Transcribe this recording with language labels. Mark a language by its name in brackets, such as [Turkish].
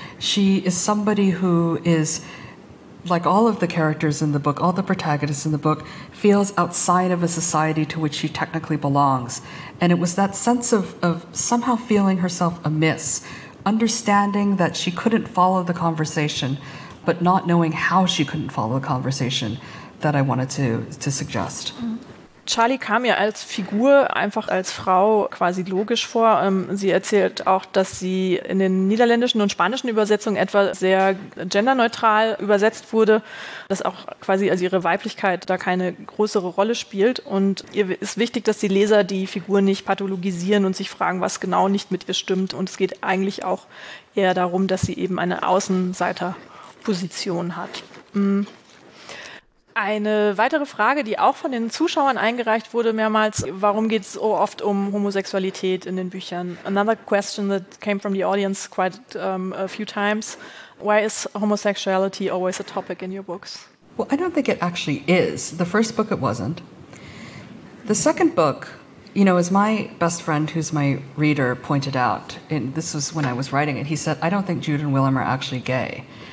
[English] She is somebody who is, like all of the characters in the book, all the protagonists in the book, feels outside of a society to which she technically belongs. And it was that sense of somehow feeling herself amiss, understanding that she couldn't follow the conversation, but not knowing how she couldn't follow the conversation, that I wanted to suggest. Mm-hmm. [German] Charlie kam ja als Figur, einfach als Frau, quasi logisch vor. Sie erzählt auch, dass sie in den niederländischen und spanischen Übersetzungen etwa sehr genderneutral übersetzt wurde, dass auch quasi also ihre Weiblichkeit da keine größere Rolle spielt. Und ihr ist wichtig, dass die Leser die Figur nicht pathologisieren und sich fragen, was genau nicht mit ihr stimmt. Und es geht eigentlich auch eher darum, dass sie eben eine Außenseiterposition hat. Eine weitere Frage, die auch von den Zuschauern eingereicht wurde mehrmals, warum geht es so oft um Homosexualität in den Büchern? [English] Another question that came from the audience quite a few times, why is homosexuality always a topic in your books? Well, I don't think it actually is. The first book, it wasn't. The second book, you know, as my best friend, who's my reader, pointed out, and this was when I was writing it, he said, I don't think Jude and Willem are actually gay.